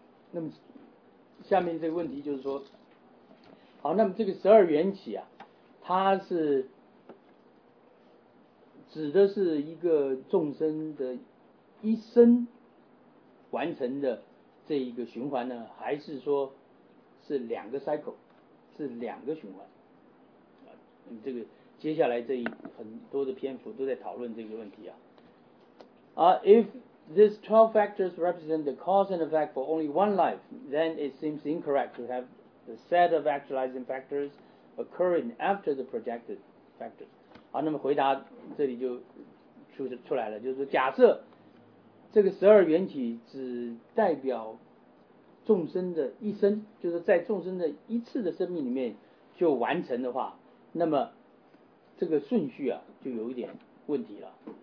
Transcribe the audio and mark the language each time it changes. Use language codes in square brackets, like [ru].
[zh] 那么下面这个问题就是说，好，那么这个十二缘起啊，它是指的是一个众生的一生完成的这一个循环呢，还是说是两个 cycle， 是两个循环？这个接下来这一很多的篇幅都在讨论这个问题啊。 [en] If these 12 factors represent the cause and effect for only one life, then it seems incorrect to have the set of actualizing factors occurring after the projected factors. [zh] 好，那么回答这里就出来了，就是假设这个十二缘起只代表众生的一生，就是在众生的一次的生命里面就完成的话，那么这个顺序啊就有一点问题了。